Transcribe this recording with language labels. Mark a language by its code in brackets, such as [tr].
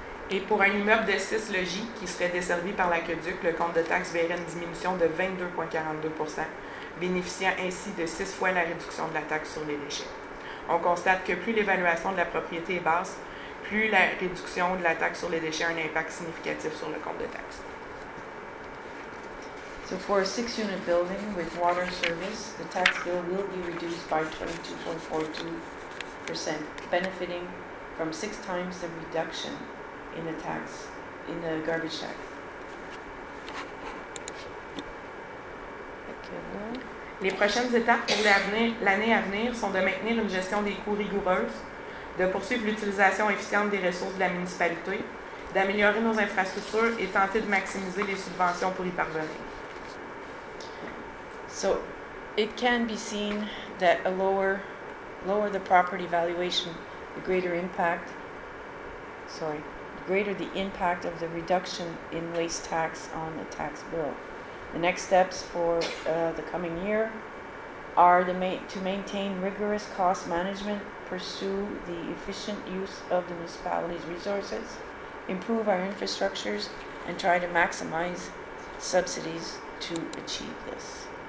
[fr] Et pour un immeuble de 6 logis qui serait desservi par l'aqueduc, le compte de taxe verrait une diminution de 22,42 %, bénéficiant ainsi de 6 fois la réduction de la taxe sur les déchets. On constate que plus l'évaluation de la propriété est basse, plus la réduction de la taxe sur les déchets a un impact significatif sur le compte de taxe. [en] So for a 6-unit building with water service, the tax bill will be reduced by 22.42 %, benefiting from 6 times the reduction in the tax, in the garbage tax. [fr] Les prochaines étapes pour l'année à venir sont de maintenir une gestion des coûts rigoureuse, de poursuivre l'utilisation efficiente des ressources de la municipalité, d'améliorer nos infrastructures et tenter de maximiser les subventions pour y parvenir. [en] So, it can be seen that a lower the property valuation, the greater impact. Greater the impact of the reduction in waste tax on the tax bill. The next steps for the coming year are to maintain rigorous cost management, pursue the efficient use of the municipality's resources, improve our infrastructures, and try to maximize subsidies to achieve this.